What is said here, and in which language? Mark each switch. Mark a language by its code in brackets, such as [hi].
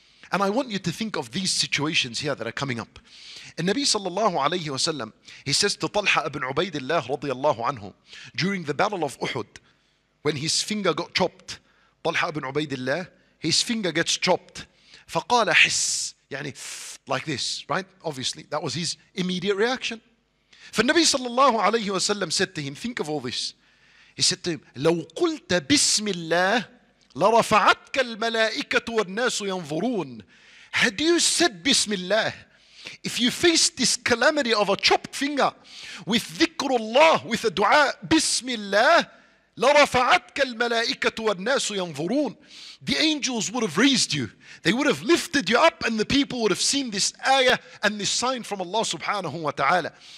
[en] And I want you to think of these situations here that are coming up. And Nabi sallallahu alayhi wa sallam, he says to Talha ibn Ubaidillah radiallahu anhu, during the battle of Uhud, when his finger got chopped, Talha ibn Ubaidillah, his finger gets chopped. [ar] فَقَالَ حِسّ, يعني [en] like this, right? Obviously, that was his immediate reaction. For Nabi sallallahu alayhi wa sallam said to him, think of all this. He said to him, [ar] لَوْ قُلْتَ بِسْمِ اللَّهِ لَرَفَعَتْكَ الْمَلَائِكَةُ وَالنَّاسُ يَنْظُرُونَ. [en] Had you said Bismillah, if you faced this calamity of a chopped finger with dhikrullah, with a dua, Bismillah, [ar] لَرَفَعَتْكَ الْمَلَائِكَةُ وَالنَّاسُ يَنْظُرُونَ. [en] The angels would have raised you. They would have lifted you up and the people would have seen this ayah and this sign from Allah subhanahu wa ta'ala.